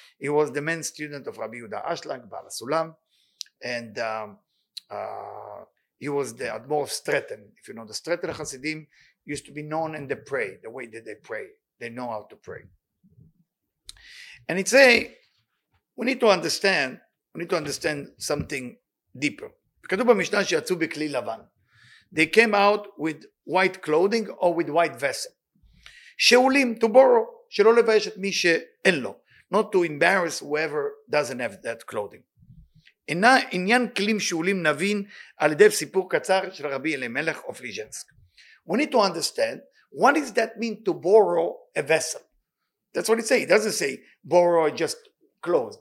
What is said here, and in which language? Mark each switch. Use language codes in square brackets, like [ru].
[en] He was the main student of Rabbi Yehuda Ashlag, Baal HaSulam. And he was the Admor of Stretten. If you know the Stretten Hasidim, used to be known in the pray, the way that they pray. They know how to pray. And it's we need to understand something deeper. [he] כתוב במשנה שיצאו בכלי לבן. [en] They came out with white clothing or with white vessel. [he] שאולים, [en] to borrow, [he] שלא לבייש את מי שאין לו. [en] Not to embarrass whoever doesn't have that clothing. [he] אינה עניין כלים שאולים נבין על ידי סיפור קצר של רבי אלימלך of Lizhensk. [en] We need to understand, what does that mean to borrow a vessel? That's what it says. It doesn't say borrow just clothes.